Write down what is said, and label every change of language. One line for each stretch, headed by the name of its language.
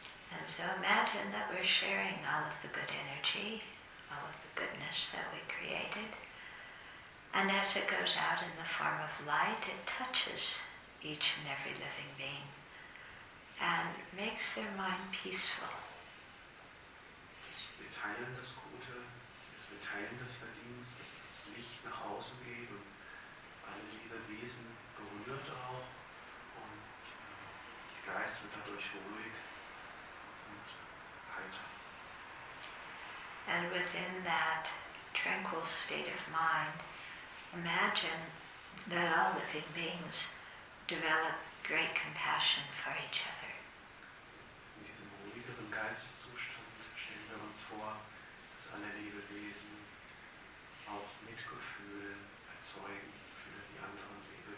English: And so imagine that we're sharing all of the good energy, all of the goodness that we created. And as it goes out in the form of light, it touches each and every living being and makes their mind peaceful.
German: Wir teilen das Gute, wir teilen das Verdienst, dass das Licht nach außen geht und alle lieben Wesen berührt auch. Geist wird dadurch ruhig und heiter.
English: And within that tranquil state of mind, imagine that all living beings develop great compassion for each other.
German: In diesem ruhigeren Geisteszustand stellen wir uns vor, dass alle Lebewesen auch Mitgefühl erzeugen für die anderen.